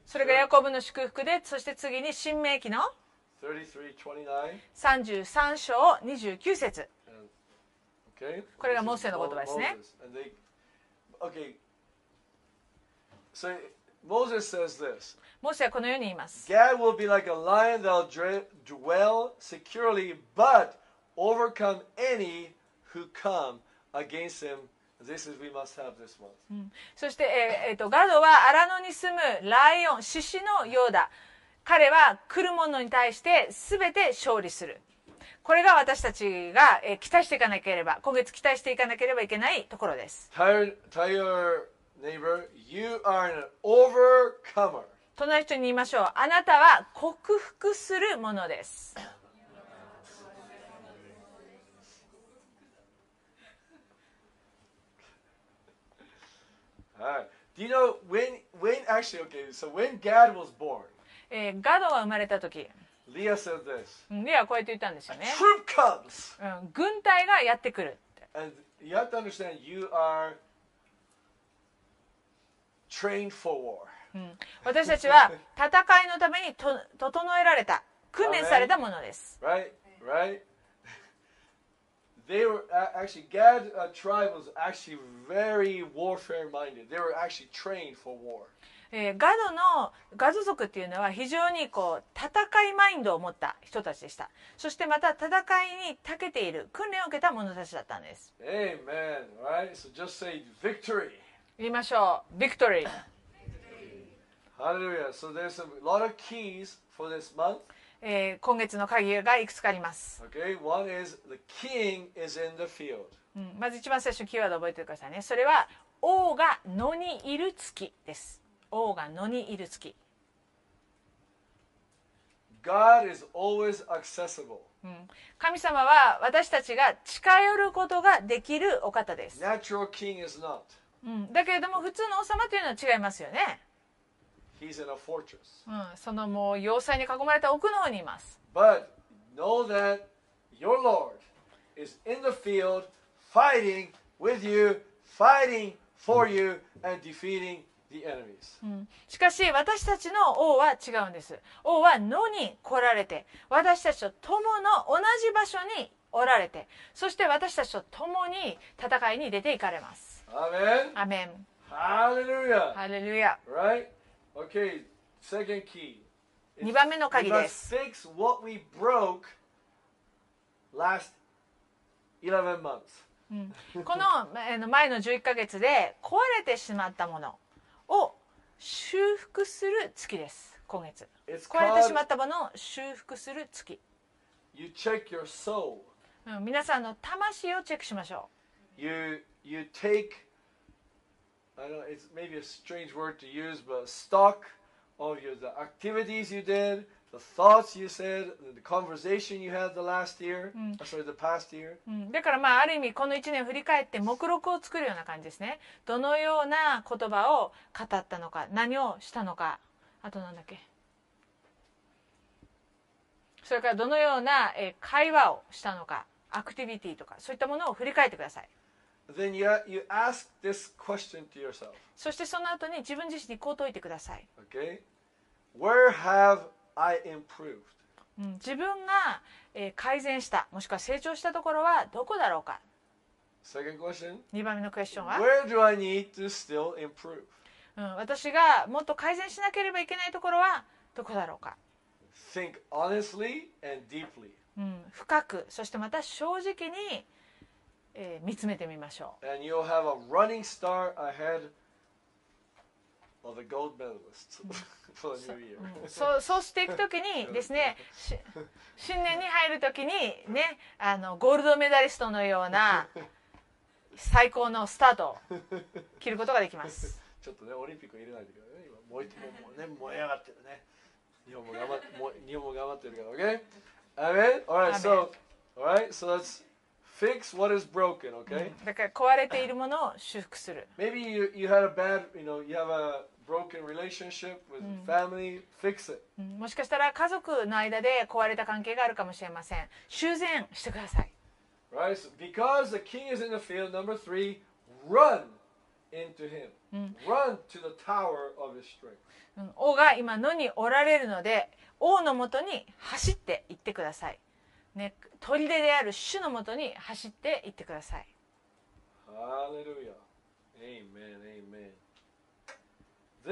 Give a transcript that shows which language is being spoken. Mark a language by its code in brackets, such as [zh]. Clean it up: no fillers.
[ja] それがヤコブの祝福で、そして次に申命記の33章29節。 [en] And, okay. [ja] これがモーセの言葉ですね。 [en] And they... Okay. So, Moses says this. [ja] モーセはこのように言います。 [en] Gad will be like a lion that will dwell securely, but overcome any who come against him. This is we must have this month. [ja] そして、ガドはアラノに住むライオン、獅子のようだ。彼は来る者に対して全て勝利する。これが私たちが、期待していかなければ、今月期待していかなければいけないところです。 [en] Tire neighbor, you are an overcomer. [ja] 隣の人に言いましょう。あなたは克服するものです。はい。 [en] Do you know when actually okay? So when Gad was born. [ja] ガドが生まれた時。 [en] Leah said this. [ja] Leah はこうやって言ったんですよね。 [en] A troop comes. [ja] 軍隊がやってくるって。 [en] And you have to understand you are trained for war. [ja] 私たちは戦いのためにと整えられた訓練されたものです。 [en] Right, right. They were actually Gad tribe was actually very warfare minded. They were actually trained for war. [ja] ガドのガド族っていうのは非常にこう戦いマインドを持った人たちでした。そしてまた戦いに長けている訓練を受けた者たちだったんです。 [en] Amen. Right. So just say victory. [ja] 言いましょう。Victory。 [en] Hallelujah. So there's a lot of keys for this month. [ja] 今月の鍵がいくつかあります。 [en] Okay. One is the king is in the field.、 [ja] うん、まず一番最初のキーワードを覚えてくださいね。それは王が野にいる月です。王が野にいる月。 [en] God is always accessible. [ja] 神様は私たちが近寄ることができるお方です。 [en] Natural king is not. [ja] だけれども普通の王様というのは違いますよね。 [en] He's in a fortress. [ja] そのもう要塞に囲まれた奥の方にいます。 [en] But know that your Lord is in the field fighting with you, fighting for you, and defeating you. The enemies. [ja] しかし私たちの王は違うんです。王は野に来られて私たちと共の同じ場所におられてそして私たちと共に戦いに出て行かれます。アーメン、アーメン、ハレルヤ、ハレルヤ、 [en] right? Okay. Second key. [ja] 2番目の鍵です。 [en] We must fix what we broke last 11 months. [ja] この前の11ヶ月で壊れてしまったものを修復する月です。今月壊れてしまったものを修復する月。 [en] You check your soul. [ja] 皆さんの魂をチェックしましょう。 [en] You take I don't know, it's maybe a strange word to use, but stock of your, the activities you did, the thoughts you said, the conversation you had the last year, sorry, the past year. [ja] だからまあある意味この1年を振り返って目録を作るような感じですね。どのような言葉を語ったのか、何をしたのか、あと何だっけ。それからどのような会話をしたのか、アクティビティとか、そういったものを振り返ってください。 [en] Then you ask this question to yourself. [ja] そしてその後に自分自身にこう問いてください。 [en] Okay. Where have I improved? [ja] 自分が改善した、もしくは成長したところはどこだろうか。 [en] Second question. [ja] 2番目のクエスチョンは。 [en] Where do I need to still improve? [ja] 私がもっと改善しなければいけないところはどこだろうか。 Think honestly and deeply. 深く、そしてまた正直に。見つめてみましょう。 [en] And you'll have a running start ahead of the gold medalists for the new year. [ja] そうしていくときにですね、新年に入るときにね、ゴールドメダリストのような最高のスタートを切ることができます。ちょっとね、オリンピック入れないでくださいね。今燃えてもうね、燃え上がってるね。日本も頑張ってるから、 [en] Okay? Amen? Alright, so, alright, so that's Fix what is broken, okay? [ja] だから壊れているものを修復する。 [en] Maybe you had a bad, you know, you have a broken relationship with family. Fix it. [ja] もしかしたら家族の間で壊れた関係があるかもしれません。修繕してください。 [en] Right? So because the king is in the field, number three, run into him. Run to the tower of his strength. [ja] 王が今野におられるので、王のもとに走って行ってください。ね、砦である主のもとに走っていってください。ハレルヤ。アーメン、アーメン。